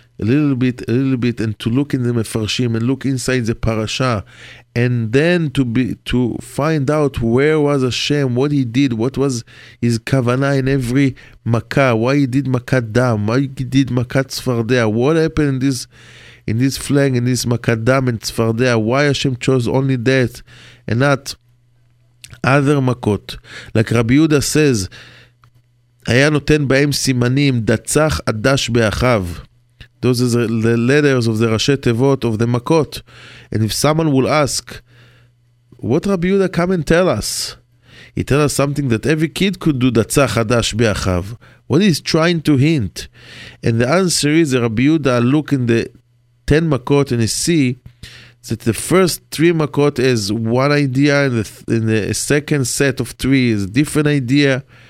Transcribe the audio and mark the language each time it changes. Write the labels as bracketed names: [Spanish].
[English] a little bit and to look in the mefarshim and look inside the parasha and then to find out where was Hashem, what he did, what was his kavanah in every makah, why he did makat dam, why he did makat tzfardea, what happened in this flag, in this makat dam and tzfardea, why Hashem chose only that and not other makot. Like Rabbi Yehuda says, [Hebrew] היה נותן בהם סימנים דצח אדש באחיו. [English] Those are the letters of the ראשי תיבות of the מכות. And if someone will ask, what Rabbi Yehuda come and tell us? He tell us something that every kid could do דצח אדש באחיו. What is trying to hint? And the answer is, Rabbi Yehuda look in the 10 מכות and he see that the first 3 מכות is one idea and the second set of 3 is a different idea.